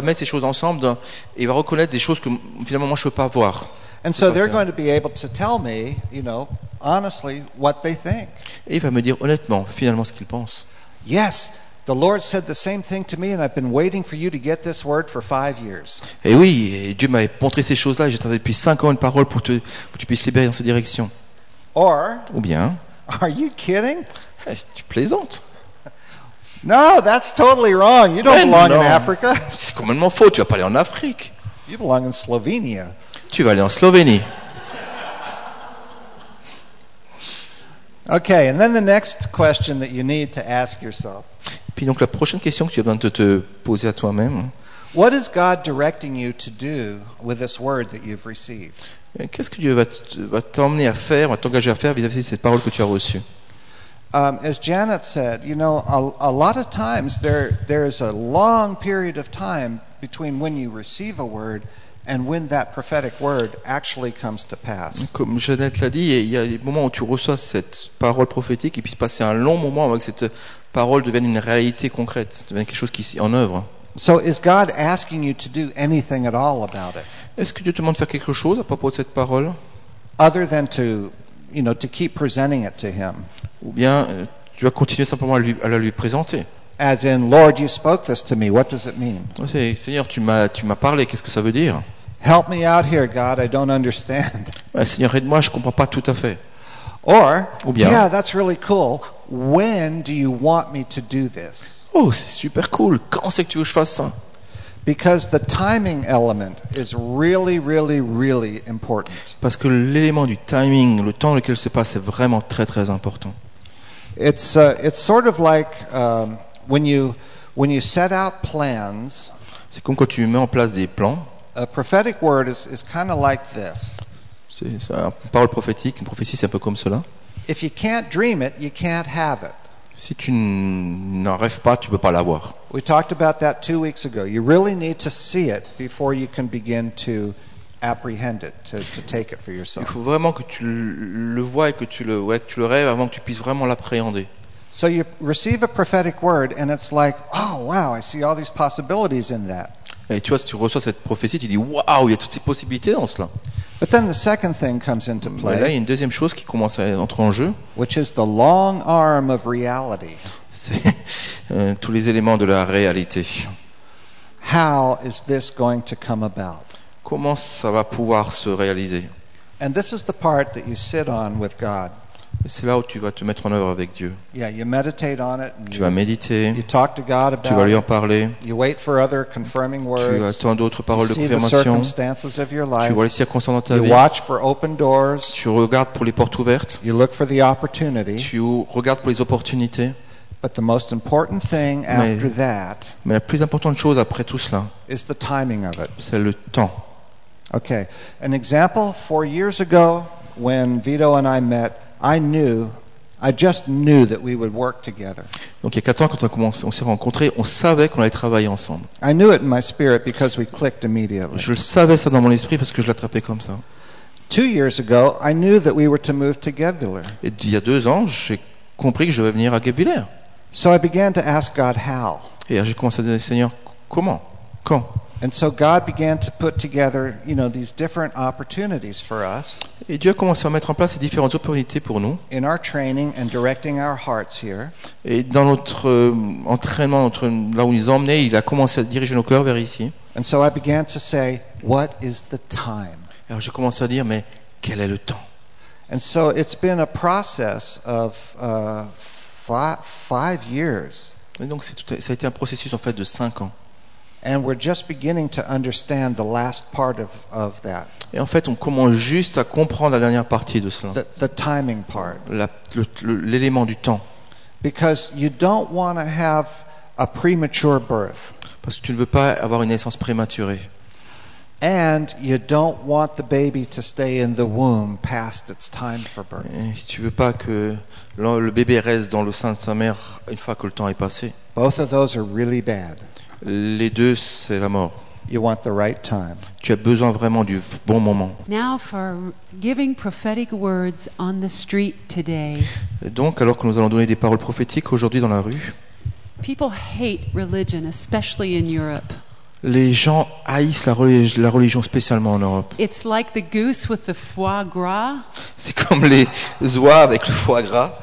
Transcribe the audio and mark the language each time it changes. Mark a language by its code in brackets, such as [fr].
[fr] mettre ces choses ensemble dans, et il va reconnaître des choses que finalement moi je peux pas voir. [en] And so they're going to be able to tell me, you know, honestly what they think. [fr] Et il va me dire honnêtement finalement ce qu'il pense. [en] Yes. The Lord said the same thing to me, and I've been waiting for you to get this word for 5 years. [fr] Eh oui, Dieu m'avait montré ces choses-là, et j'attendais depuis 5 ans une parole pour que tu puisses libérer dans cette direction. [en] Or, [fr] ou bien, [en] are you kidding? [fr] Est-ce que tu plaisantes? [en] No, that's totally wrong. You don't belong in Africa. [fr] C'est complètement faux. Tu vas pas aller en Afrique. [en] You belong in Slovenia. [fr] Tu vas aller en Slovénie. [en] Okay, and then the next question that you need to ask yourself. [fr] Puis donc la prochaine question que tu as besoin de te poser à toi-même. [en] What is God directing you to do with this word that you've received? [fr] Qu'est-ce que Dieu va t'emmener à faire, va t'engager à faire vis-à-vis de cette parole que tu as reçue? [en] As Janet said, you know, a lot of times there is a long period of time between when you receive a word and when that prophetic word actually comes to pass. [fr] Comme Janet l'a dit, il y a des moments où tu reçois cette parole prophétique et puis passer un long moment avec cette parole devient une réalité concrète, devient quelque chose qui est en œuvre. [en] So is God asking you to do anything at all about it? [fr] Est-ce que Dieu te demande de faire quelque chose à propos de cette parole? [en] Other than to, you know, to keep presenting it to him. [fr] Ou bien tu vas continuer simplement à la lui présenter. [en] As in, Lord, you spoke this to me. What does it mean? [fr] Seigneur, tu m'as parlé. Qu'est-ce que ça veut dire? [en] Help me out here, God. I don't understand. [fr] Seigneur, aide-moi. Je comprends pas tout à fait. [en] Or, [fr] ou bien, [en] yeah, that's really cool. When do you want me to do this? [fr] Oh, c'est super cool. Quand c'est que tu veux que je fasse ça? [en] Because the timing element is really, really, really important. [fr] Parce que l'élément du timing, le temps dans lequel se passe, c'est vraiment très, très important. [en] It's sort of like when you set out plans. [fr] C'est comme quand tu mets en place des plans. [en] A prophetic word is kind of like this. [fr] C'est ça, une parole prophétique, une prophétie, c'est un peu comme cela. [en] If you can't dream it, you can't have it. [fr] Si tu n'en rêves pas, tu ne peux pas l'avoir. [en] We talked about that 2 weeks ago. You really need to see it before you can begin to apprehend it, to take it for yourself. [fr] Il faut vraiment que tu le vois et que tu le rêves avant que tu puisses vraiment l'appréhender. [en] So you receive a prophetic word and it's like, oh wow, I see all these possibilities in that. [fr] Et tu vois, si tu reçois cette prophétie, tu dis, waouh, il y a toutes ces possibilités dans cela. [en] But then the second thing comes into play. [fr] Mais là, il y a une deuxième chose qui commence à entrer en jeu. [en] Which is the long arm of reality. [fr] C'est tous les éléments de la réalité. [en] How is this going to come about? [fr] Comment ça va pouvoir se réaliser? [en] And this is the part that you sit on with God. [fr] Et c'est là où tu vas te mettre en œuvre avec Dieu. [en] Yeah, you meditate on it. [fr] Tu vas méditer. [en] You talk to God about [fr] it. Tu vas lui en parler. [en] You wait for other confirming words. [fr] Tu attends d'autres paroles de confirmation. [en] You see the circumstances of your life. [fr] Tu vois les circonstances dans ta vie. [en] You watch for open doors. [fr] Tu regardes pour les portes ouvertes. [en] You look for the opportunity. [fr] Tu regardes pour les opportunités. [en] But the most important thing after that. [fr] Mais la plus importante chose après tout cela. [en] Is the timing of it. [fr] C'est le temps. [en] Okay, an example. 4 years ago, when Vito and I met. I just knew that we would work together. [fr] Donc il y a 4 ans quand on s'est rencontrés, on savait qu'on allait travailler ensemble. [en] I knew it in my spirit because we clicked immediately. [fr] Je le savais ça dans mon esprit parce que je l'attrapais comme ça. [en] 2 years ago, I knew that we were to move to Gebeler. [fr] Et il y a 2 ans, j'ai compris que je devais venir à Gebeler. [en] So I began to ask God how. [fr] Et j'ai commencé à demander au Seigneur comment, quand. [en] And so God began to put together, you know, these different opportunities for us. [fr] Et Dieu a commencé à mettre en place ces différentes opportunités pour nous. [en] In our training and directing our hearts here. [fr] Et dans notre entraînement, là où il nous a emmenés, il a commencé à diriger nos cœurs vers ici. [en] And so I began to say, what is the time? [fr] Alors j'ai commencé à dire, mais quel est le temps? [en] And so it's been a process of 5 years. [fr] Et donc ça a été un processus en fait de 5 ans. [en] And we're just beginning to understand the last part of that. [fr] Et en fait, on commence juste à comprendre la dernière partie de cela. [en] The timing part. [fr] L'élément du temps. [en] Because you don't want to have a premature birth. [fr] Parce que tu ne veux pas avoir une naissance prématurée. [en] And you don't want the baby to stay in the womb past its time for birth. [fr] Et tu veux pas que le bébé reste dans le sein de sa mère une fois que le temps est passé. [en] Both of those are really bad. [fr] Les deux, c'est la mort. [en] You want the right time. [fr] Tu as besoin vraiment du bon moment. [en] Now for giving prophetic words on the street today. [fr] Donc, alors que nous allons donner des paroles prophétiques aujourd'hui dans la rue. [en] People hate religion, especially in Europe. [fr] Les gens haïssent la religion, spécialement en Europe. [en] It's like the goose with the foie gras. C'est comme les oies avec le foie gras.